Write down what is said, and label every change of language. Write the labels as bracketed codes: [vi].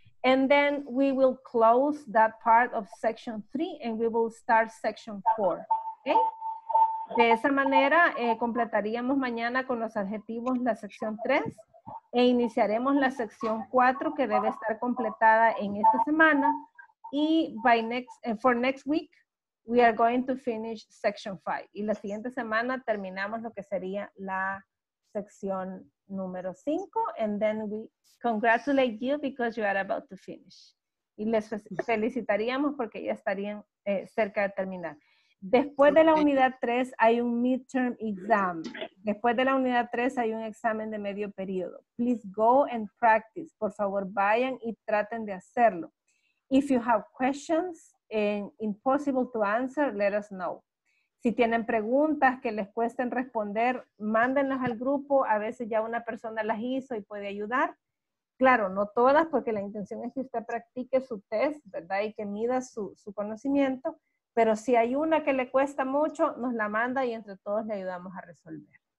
[en] And then we will close that part of section 3 and we will start section 4. Okay? [es] De esa manera completaríamos mañana con los adjetivos la sección 3. E iniciaremos la sección 4 que debe estar completada en esta semana. [en] Y for next week, we are going to finish section 5. [es] Y la siguiente semana terminamos lo que sería la sección número 5. [en] And then we congratulate you because you are about to finish. [es] Y les felicitaríamos porque ya estarían cerca de terminar. Después de la unidad 3 hay un midterm exam. Después de la unidad 3 hay un examen de medio periodo. [en] Please go and practice. [es] Por favor, vayan y traten de hacerlo. [en] If you have questions and impossible to answer, let us know. [es] Si tienen preguntas que les cuesten responder, mándenlas al grupo. A veces ya una persona las hizo y puede ayudar. Claro, no todas, porque la intención es que usted practique su test, ¿verdad? Y que mida su conocimiento. Pero si hay una que le cuesta mucho, nos la manda y entre todos le ayudamos a resolver.